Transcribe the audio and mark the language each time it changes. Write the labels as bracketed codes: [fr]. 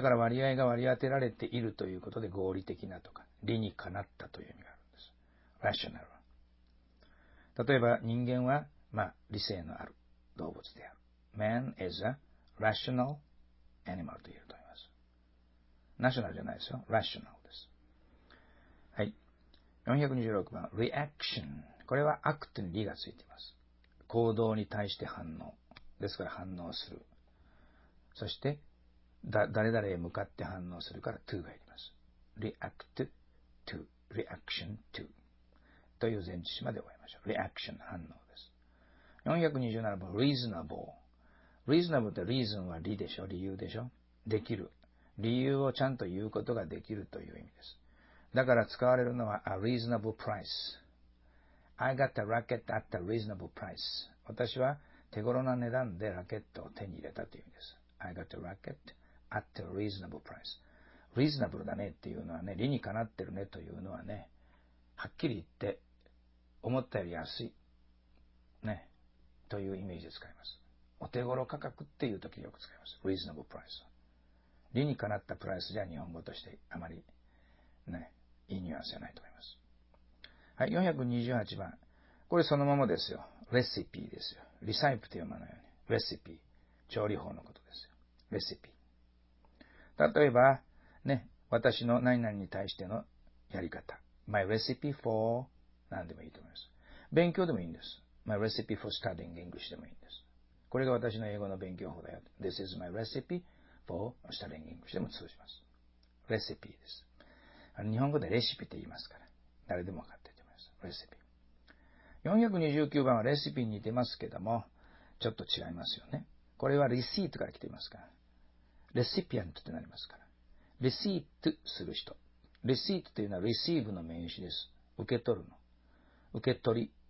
[ja] だから割合が割り当てられているということで合理的なとか、理にかなったという意味があるんです。ラショナル。例えば人間は、理性のある動物である。 [en] Man is a rational animal [ja] と言えると思います。ナショナルじゃないですよ。ラショナルです。はい。 426番、reaction。これはアクトに理がついています。行動に対して反応。ですから反応する。そして、誰々へ向かって反応するから to が入ります。react to。 reaction to という前置詞まで終えましょう。 reaction 反応です。427番 reasonable。 reasonable って reason は理でしょ、理由でしょ。できる、理由をちゃんと言うことができるという意味です。だから使われるのは [en] a reasonable price。 I got the racket at a reasonable price。 [ja] 私は手頃な値段でラケットを手に入れたという意味です。 [en] I got the racket at a reasonable price。 [ja] reasonable だねっていうのはね、理にかなってるねというのはね、はっきり言って思ったより安いねというイメージで使います。お手頃価格っていう時によく使います。 [en] reasonable price、 [ja] 理にかなったプライスじゃ日本語としてあまりね、いいニュアンスじゃないと思います。はい、428番、これそのままですよ。レシピですよ。リサイプと読まないように。レシピ、調理法のことですよ。レシピ、例えばね、私の何々に対してのやり方、 [en] My recipe for、 [ja] 何でもいいと思います。勉強でもいいんです。 [en] My recipe for studying English [ja] でもいいんです。これが私の英語の勉強法だよ。 [en] This is my recipe for studying English [ja] でも通じます。レシピです。日本語でレシピって言いますから、誰でも分かっていると思います。レシピ。 429番はレシピに似てますけども、ちょっと違いますよね。これはレシートから来ていますから。レシピアントってなりますから。レシートする人。レシートというのはレシーブの名詞です。受け取るの。受け取り。